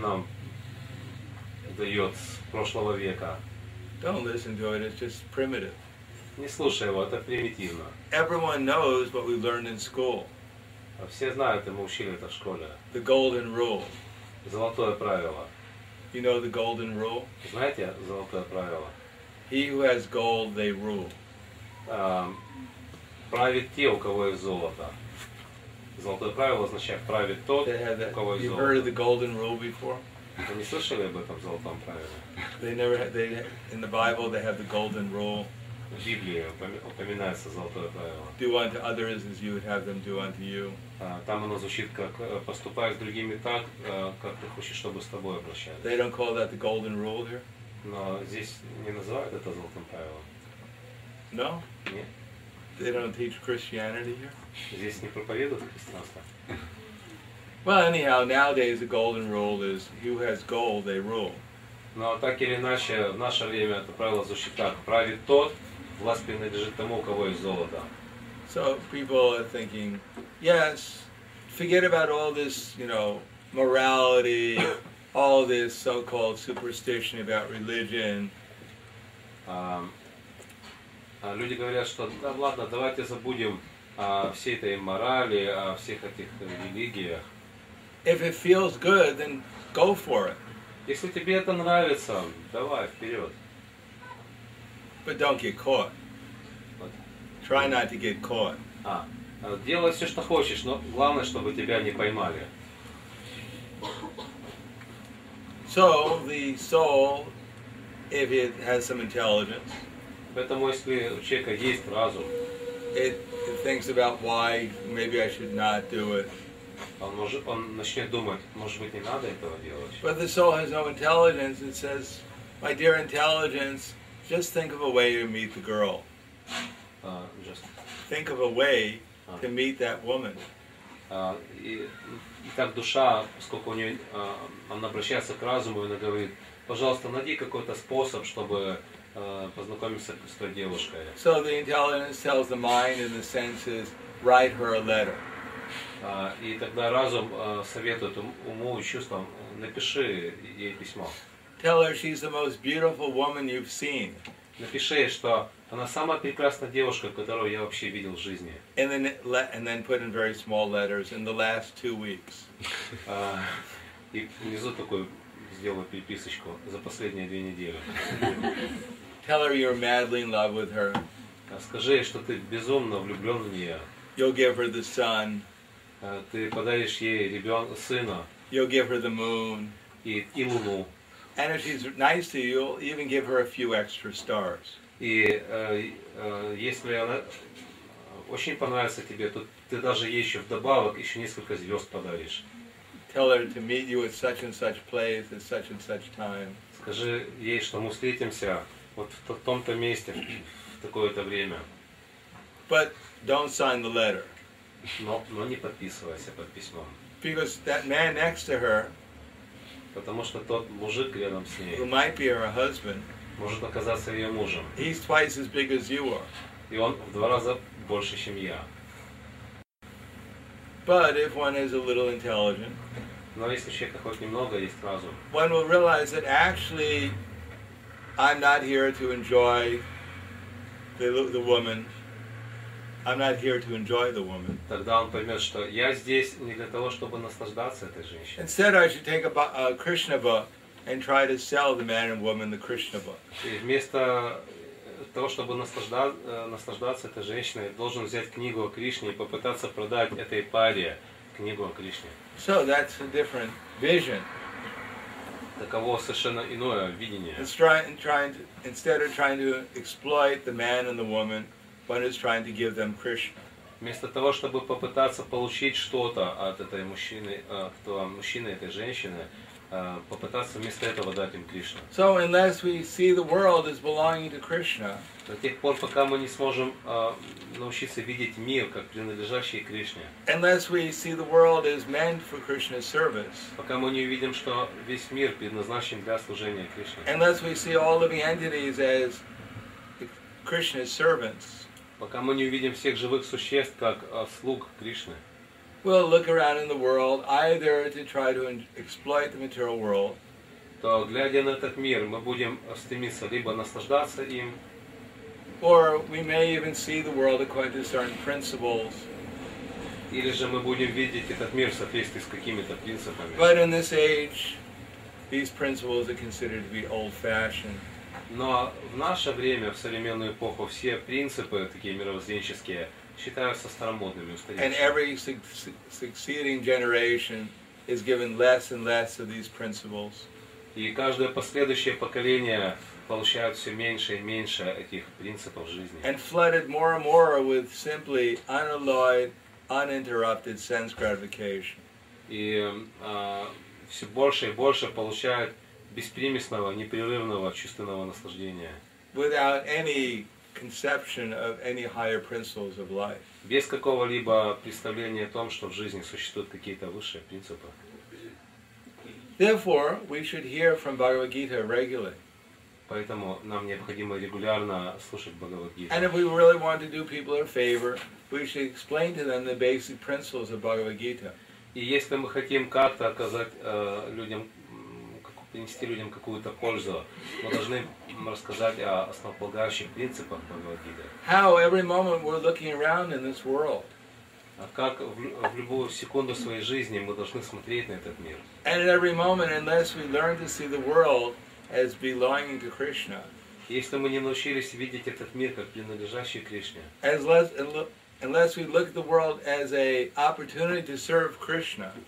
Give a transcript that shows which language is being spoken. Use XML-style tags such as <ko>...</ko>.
<ru>нам дает с прошлого века.</ru> <en>Don't listen to it, it's just primitive.</en> <ru>Не слушай его, это примитивно.</ru> <en>Everyone knows what we learned in school.</en> <ru>Все знают, и мы учили это в школе.</ru> <en>The golden rule.</en> <ru>Золотое правило.</ru> <en>You know the golden rule?</en> <ru>Знаете золотое правило?</ru> <en>He who has gold, they rule.</en> <ru>Правит те, у кого есть золото. Золотое правило означает правит тот, у кого есть золото.</ru> <en>You heard of the golden rule before?</en> <ru>Вы не слышали об этом золотом правиле?</ru> <en>They never had, they, in the Bible they have the golden rule.</en> <ru>В Библии упоминается золотое правило.</ru> <en>Do unto others as you would have them do unto you.</en> <ru>Там оно звучит как поступай с другими так, как ты хочешь, чтобы с тобой обращались.</ru> <en>They don't call that the golden rule here?</en> <ru>Но здесь не называют это золотым правилом.</ru> <en>No?</en> <ru>Нет.</ru> <en>They don't teach Christianity here?</en> <ru>Здесь не проповедуют христианство.</ru> <en>Well, anyhow, nowadays the golden rule is who has gold, they rule.</en> <ru>Но так или иначе, в наше время это правило звучит так. Правит тот, власть принадлежит тому, у кого есть золото.</ru> <en>So people are thinking, yes, forget about all this, you know, morality. All this so-called superstition about religion.</en> <ru>Люди говорят, что да, ладно, давайте забудем о всей этой морали, о всех этих религиях.</ru> <en>If it feels good, then go for it.</en> <ru>Если тебе это нравится, давай вперед.</ru> <en>But don't get caught. What? Try not to get caught.</en> <ru>Делай все, что хочешь, но главное, чтобы тебя не поймали.</ru> <en>So the soul, if it has some intelligence,</en> <ru>поэтому если у человека есть разум,</ru> <en>it thinks about why maybe I should not do it.</en> <ru>Он начнет думать, может быть, не надо этого делать.</ru> <en>But the soul has no intelligence. It says, my dear intelligence, just think of a way to meet the girl. Think of a way to meet that woman.</en> <ru>И так душа, сколько у нее, она обращается к разуму, и она говорит, пожалуйста, найди какой-то способ, чтобы познакомиться с той девушкой.</ru> <en>So the intelligence tells the mind and the senses, write her a letter.</en> <ru>И тогда разум советует уму и чувствам, напиши ей письмо.</ru> <en>Tell her she's the most beautiful woman you've seen.</en> <ru>Напиши, что она самая прекрасная девушка, которую я вообще видел в жизни.</ru> <en>And then put in very small letters in the last 2 weeks.</en> <ru>И внизу такую сделаю переписочку за последние 2 недели.</ru> <en>Tell her you're madly in love with her.</en> <ru>Скажи ей, что ты безумно влюблен в нее.</ru> <en>You'll give her the sun.</en> <ru>Ты подаришь ей ребенка, сына.</ru> <en>You'll give her the moon.</en> <ru>И луну.</ru> <en>And if she's nice to you, you'll even give her a few extra stars.</en> <ru>И если она очень понравится тебе, то ты даже ей еще вдобавок еще несколько звезд подаришь.</ru> <en>Tell her to meet you at such and such place at such and such time.</en> <ru>Скажи ей, что мы встретимся вот в том-то месте в такое-то время.</ru> <en>But don't sign the letter.</en> <ru>Но не подписывайся под письмом.</ru> <en>Because that man next to her.</en> <ru>Потому что тот мужик рядом с ней.</ru> <en>Who might be her husband.</en> <ru>Может оказаться ее мужем.</ru> <en>He's twice as big as you are.</en> <ru>И он в 2 раза больше, чем я.</ru> <en>But if one is a little intelligent,</en> <ru>но если человек хоть немного есть разум,</ru> <en>one will realize that actually I'm not here to enjoy the woman. I'm not here to enjoy the woman.</en> <ru>Тогда он поймет, что я здесь не для того, чтобы наслаждаться этой женщиной.</ru> <en>Instead, I should take a Krishna book and try to sell the man and woman the Krishna book.</en> <ru>И вместо того, чтобы наслаждаться этой женщиной, должен взять книгу о Кришне и попытаться продать этой паре книгу о Кришне.</ru> <en>So that's a different vision.</en> <ru>Таково совершенно иное видение.</ru> <en>Instead of trying to exploit the man and the woman, one is trying to give them Krishna.</en> <ru>Вместо того, чтобы попытаться получить что-то от этой мужчины, этой женщины, попытаться вместо этого дать им Кришну.</ru> <en>So unless we see the world as belonging to Krishna,</en> <ru>до тех пор, пока мы не сможем научиться видеть мир как принадлежащий Кришне,</ru> <en>unless we see the world as meant for Krishna's service,</en> <ru>пока мы не увидим, что весь мир предназначен для служения Кришне,</ru> <en>unless we see all living entities as Krishna's servants,</en> <ru>пока мы не увидим всех живых существ как слуг Кришны,</ru> <en>we'll look around in the world either to try to exploit the material world,</en> <ru>то глядя на этот мир, мы будем стремиться либо наслаждаться им,</ru> <en>or we may even see the world according to certain principles,</en> <ru>или же мы будем видеть этот мир в соответствии с какими-то принципами.</ru> <en>But in this age, these principles are considered to be old-fashioned.</en> <ru>Но в наше время, в современную эпоху, все принципы такие мировоззренческие считаются старомодными, устаревшими.</ru> <en>And every succeeding generation is given less and less of these principles.</en> <ru>И каждое последующее поколение получает все меньше и меньше этих принципов жизни.</ru> <en>And flooded more and more with simply unalloyed, uninterrupted sense gratification.</en> <ru>И все больше и больше получают беспримесного, непрерывного чувственного наслаждения.</ru> <en>Without any conception of any higher principles of life.</en> <ru>Без какого-либо представления о том, что в жизни существуют какие-то высшие принципы.</ru> <en>Therefore, we should hear from Bhagavad Gita regularly.</en> <ru>Поэтому нам необходимо регулярно слушать Бхагавад Гиту.</ru> <en>And if we really want to do people a favor, we should explain to them the basic principles of Bhagavad Gita.</en> <ru>И если мы хотим как-то оказать людям, принести людям какую-то пользу, мы должны рассказать о основополагающих принципах Бхагавад Гиты.</ru> <en>How every moment we're looking around in this world.</en> <ru>А как в любую секунду своей жизни мы должны смотреть на этот мир.</ru> <en>And at every moment, unless we learn to see the world as belonging to Krishna.</en> <ru>Если мы не научились видеть этот мир как принадлежащий Кришне.</ru> <en>Unless we look at the world as a opportunity to serve Krishna.</en>